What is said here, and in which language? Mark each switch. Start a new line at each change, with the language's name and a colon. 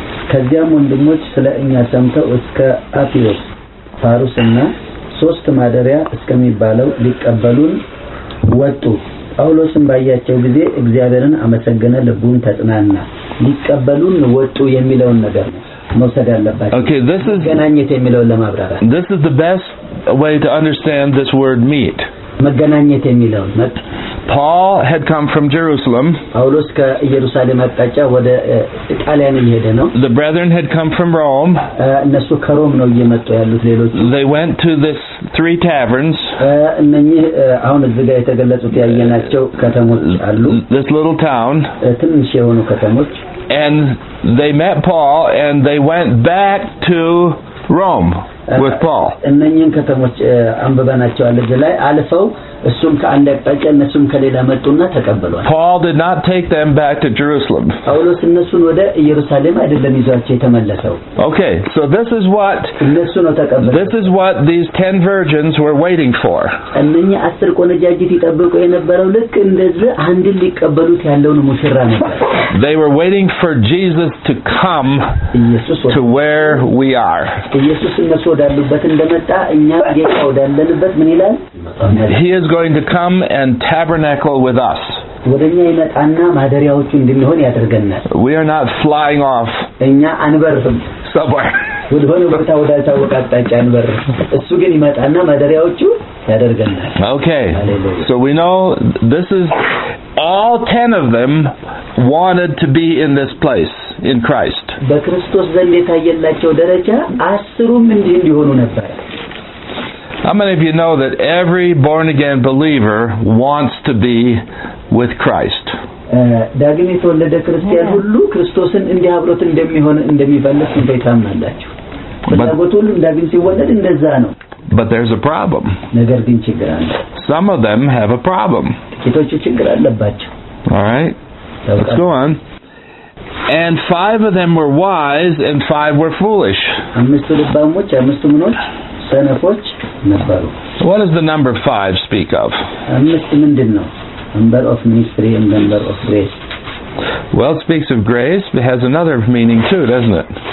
Amharic: ከዚያም ወንድሞች ስለኛ ሰምተው እስከ አፒዮስ ፋሩስና ሶስት ማደሪያ እስከሚባለው ሊቀበሉን ወጡ። ጳውሎስም ባያቸው ጊዜ እግዚአብሔርን አመሰገነ፣ ልቡም ተጽናና። ሊቀበሉን ወጡ የሚለውን ነገር መውሰድ አለባችሁ።
English: Okay, this is
Amharic: መገናኘት የሚለውን ለማብራራት
English: This is the best way to understand this word meet.
Amharic: መገናኘት የሚለውን መጥ
English: Paul had come from Jerusalem.
Amharic: ጳውሎስ ከኢየሩሳሌም አቅጣጫ ወደ ጣሊያን እየሄደ ነው።
English: The brethren had come from Rome.
Amharic: እነሱ ከሮም ነው እየመጡ ያሉት ሌሎች።
English: They went to this three taverns.
Amharic: እነኚህ አሁን እዚህ ጋር የተገለጹት ያየናቸው ከተሞች አሉ።
English: This little town.
Amharic: ትንሽ የሆኑ ከተሞች።
English: And they met Paul and they went back to Rome with Paul.
Amharic: እነኚህ ከተሞች አንብበናቸው አለ ዘላይ አልፈው እሱም ከአንድ አቅጣጫ እነሱም ከሌላ መጡና ተቀበሏቸው።
English: Paul did not take them back to Jerusalem.
Amharic: ጳውሎስ እነሱን ወደ ኢየሩሳሌም አይደለም ይዟቸው የተመለሰው።
English: Okay, so this is what This is what these 10 virgins were waiting for.
Amharic: እነኚህ 10 ቆነጃጅት ይጠብቁ የነበረው ልክ እንደዚህ አንድ ሊቀበሉት ያለውን ሙሽራ ነበር።
English: They were waiting for Jesus to come to where we are.
Amharic: ኢየሱስ እነሱ ወዳሉበት እንደመጣ እኛ ጌታ ወዳለንበት ምን ይላል?
English: He is going to come and tabernacle with us.
Amharic: ወደኛ ይመጣና ማደሪያዎቹ እንድንሆን ያደርገናል።
English: We are not flying off.
Amharic: እኛ አንበርም
English: somewhere.
Amharic: ወደሆነ ቦታ ወደ ታወቀ አቅጣጫ አንበርም። እሱ ግን ይመጣና ማደሪያዎቹ ያደርገናል።
English: Okay. So we know this is all 10 of them wanted to be in this place in Christ.
Amharic: በክርስቶስ ዘንድ የታየላቸው ደረጃ 10ሩም እንዲሆኑ ነበር።
English: How many of you know that every born-again believer wants to be with Christ?
Amharic: ዳግም የተወለደ ክርስቲያን ሁሉ ክርስቶስን እንዲያብሮት እንደሚሆን እንደሚፈልግ እንደታመናላችሁ። ፍላጎት ሁሉ ዳግም ሲወለድ እንደዛ ነው።
English: But there's a problem.
Amharic: ነገር ግን ችግር አለ።
English: Some of them have a problem.
Amharic: ጥቂቶቹ ችግር አለባቸው።
English: All right. Let's go on. And 5 of them were wise and 5 were foolish.
Amharic: አምስቱ ልባሞች አምስቱ ምኖች ሰነፎች ነበሩ።
English: What does the number 5 speak of?
Amharic: አምስቱ ምንድነው?
English: Number of ministry and number of grace. Well, it speaks of grace, but has another meaning too, doesn't it?